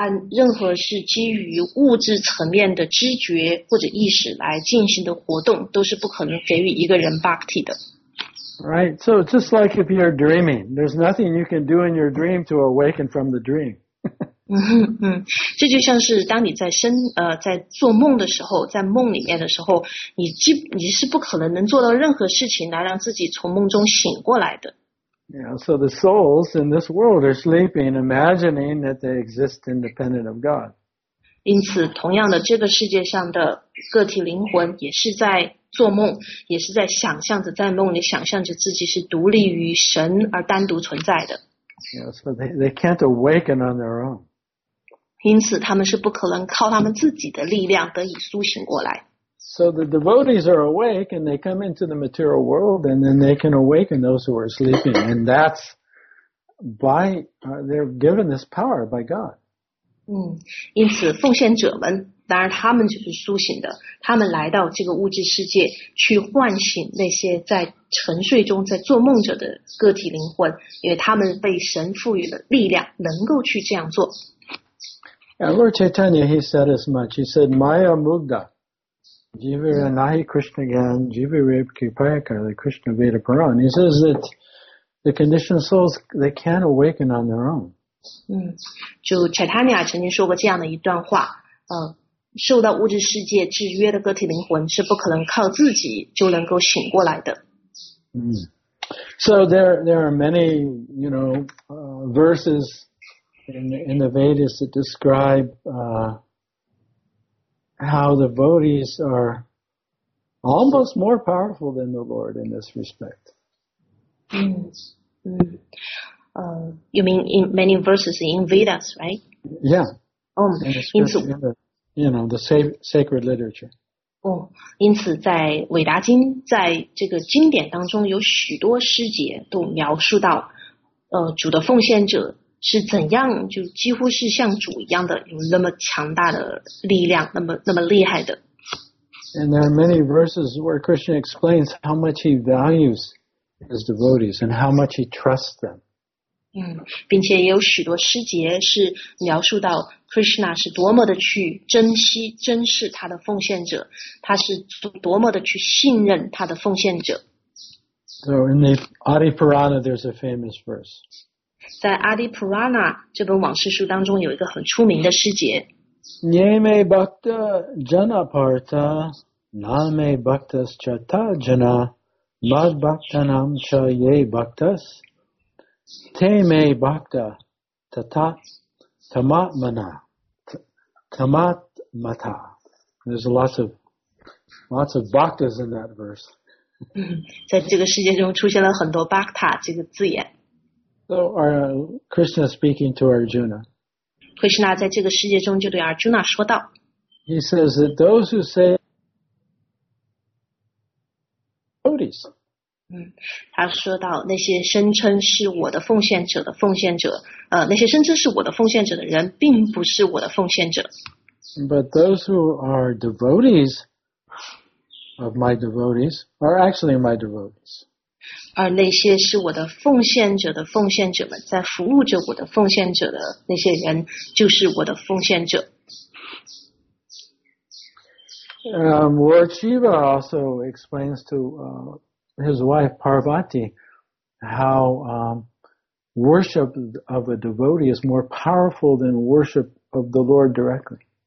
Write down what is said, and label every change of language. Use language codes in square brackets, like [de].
[zh] 任何是基于物质层面的知觉或者意识来进行的活动都是不可能给予一个人 Bhakti 的。 [en] Right, so just like if you're dreaming, there's nothing you can do in your dream to awaken from the dream. [zh] 这就像是当你在做梦的时候，在梦里面的时候，你是不可能做到任何事情来让自己从梦中醒过来的。 [en] Yeah, so the souls in this world are sleeping, imagining that they exist independent of God. [zh] 因此，同样的，这个世界上的个体灵魂也是在做梦，也是在想象着，在梦里想象着自己是独立于神而单独存在的。 [en] Yeah, so they can't awaken on their own. [zh] 因此，他们是不可能靠他们自己的力量得以苏醒过来。 [en] So the devotees are awake and they come into the material world and then they can awaken those who are sleeping. And that's by, they're given this power by God. [zh] 因此奉献者们，当然他们就是苏醒的，他们来到这个物质世界去唤醒那些在沉睡中在做梦者的个体灵魂，因为他们被神赋予了力量，能够去这样做。 [en] Yeah, Lord Chaitanya, he said as much. He said, [sa] Maya Mugda. Jivaranahi Krishnagan, Jivarib Kipayaka, the Krishna Veda Puran. [en] He says that the conditioned souls, they can't awaken on their own. [zh] 就 Chaitanya 曾经说过这样的一段话，受到物质世界制约的个体灵魂是不可能靠自己就能够醒过来的。 [en] So there are many, you know, verses in the Vedas that describe, how the devotees are almost more powerful than the Lord in this respect. You mean in many verses in Vedas, right? Yeah. The sacred literature. [zh] 因此在韦达经，在这个经典当中有许多诗节都描述到，主的奉献者是怎样就几乎是像主一样的有那么强大的力量，那么厉害的。 [en] And there are many verses where Krishna explains how much he values his devotees and how much he trusts them. [zh] 并且也有许多诗节是描述到 Krishna 是多么的去珍视他的奉献者，他是多么的去信任他的奉献者。 [en] So in the Adi Purana, there's a famous verse. [zh] 在阿迪普拉纳这本往事书当中有一个很出名的诗节。 [sa] Name Bhakta Janaparta, Name Bhaktas Chatajana, Mad Bhaktanam Chaye Bhaktas, Teme Bhakta Tata Tamatmana, Tamatmata. [en] There's lots of Bhaktas in that verse. [zh] 在这个世界中出现了很多 Bhakta 这个字眼。 [en] So Krishna speaking to Arjuna. [zh] Krishna 在这个世界中就对 Arjuna 说道。 [en] He says that those who say devotees. [zh] 他说到那些声称是我的奉献者的奉献者，那些声称是我的奉献者的人，并不是我的奉献者。 [en] But those who are devotees of my devotees are actually my devotees. [zh] 而那些是我的奉献者的奉献者们，在服务着我的奉献者的那些人，就是我的奉献者。 [en] Lord Shiva also explains to his wife Parvati how worship of a devotee is more powerful than worship of the Lord directly.